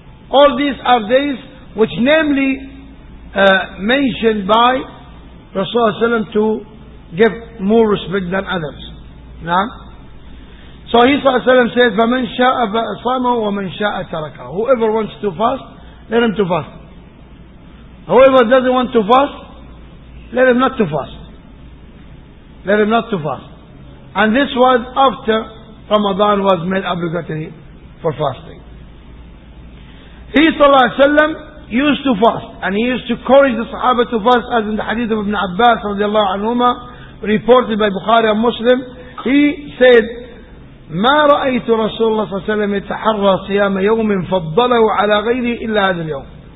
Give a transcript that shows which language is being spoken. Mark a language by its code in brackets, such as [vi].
[en] All these are days which namely mentioned by Rasulullah to give more respect than others. Naam. [ar] So he said, فَمَنْ شَاءَ فَأَصَامَهُ وَمَنْ شَاءَ تَرَكَهُ. [en] Whoever wants to fast, let him to fast. Whoever doesn't want to fast, let him not to fast. Let him not to fast. And this was after Ramadan was made obligatory for fasting. He used to fast, and he used to encourage the Sahaba to fast, as in the hadith of Ibn Abbas radiallahu anhuma, reported by Bukhari and Muslim. [ar] He said, ما رأيت رسول الله صلى الله عليه وسلم يتحرى صيام يوم فضله على غيره إلا هذا اليوم.